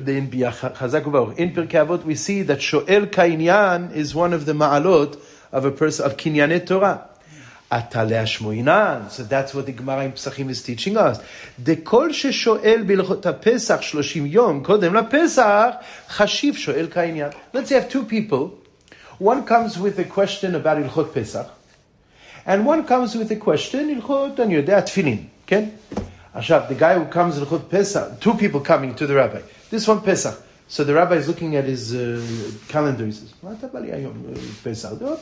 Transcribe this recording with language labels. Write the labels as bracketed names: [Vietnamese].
[English] In Pirkei Avot we see that שואל כעניין is one of the מעלות of a person of קנייני תורה. [Hebrew] אתה להשמוינן. [English] So that's what the Gemara in Pesachim is teaching us. [Hebrew] דכל ששואל בלכות הפסח 30 יום, קודם לפסח, חשיב שואל כעניין. [English] Let's say I have two people. One comes with a question about הלכות פסח. And one comes with a question, הלכות, [Hebrew] אני יודע, תפילין. כן? עכשיו, [English] the guy who comes הלכות פסח, two people coming to the rabbi. This one פסח. So the rabbi is looking at his calendar. He says, "What about Yom Pesach?